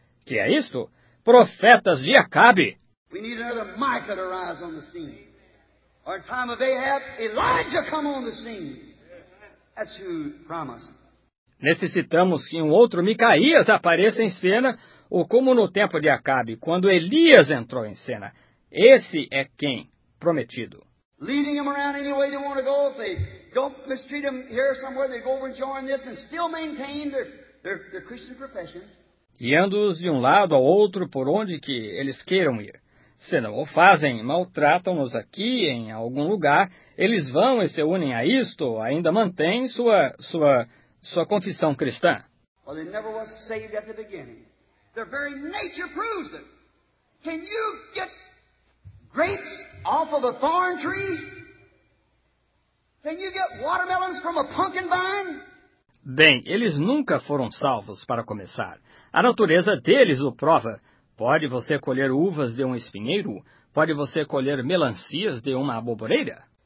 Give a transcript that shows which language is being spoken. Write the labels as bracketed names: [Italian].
[Portuguese] Que é isto? Profetas de Acabe! [English] We need another Micah to rise on the scene. Or in time of Ahab, Elijah come on the scene. That's who promised. [Portuguese] Necessitamos que um outro Micaías apareça em cena, ou como no tempo de Acabe, quando Elias entrou em cena. Esse é quem? Prometido. [English] Leading them around any way they want to go. If they don't mistreat them here somewhere, they go over and join this and still maintain their Christian profession. [Portuguese] Guiando-os de um lado ao outro por onde que eles queiram ir. Se não o fazem, maltratam-nos aqui em algum lugar, eles vão e se unem a isto, ainda mantêm sua confissão cristã. [English] Well, they never was saved at the beginning. Their very nature proves it. Can you get grapes off of a thorn tree? Can you get watermelons from a pumpkin vine? [Portuguese] Bem, eles nunca foram salvos, para começar. A natureza deles o prova. Pode você colher uvas de um espinheiro? Pode você colher melancias de uma aboboreira?